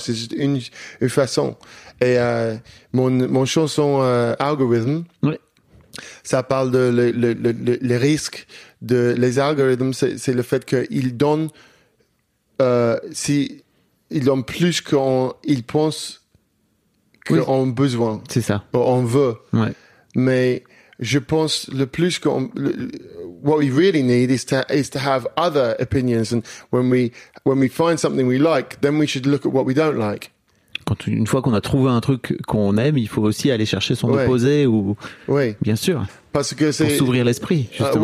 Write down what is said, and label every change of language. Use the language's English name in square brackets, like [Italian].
[French] C'est juste une façon. Et, mon chanson, Algorithm. Oui. Ça parle de les risques de les algorithmes, c'est le fait qu'ils donnent, si ils donnent plus qu'ils pensent qu'on a besoin. C'est ça. Ou on veut. Ouais. Mais je pense le plus qu'on, [English] what we really need is to have other opinions, and when we find something we like, then we should look at what we don't like. [French] Une fois qu'on a trouvé un truc qu'on aime, il faut aussi aller chercher son opposé, ou oui, bien sûr, parce que c'est pour s'ouvrir l'esprit, justement.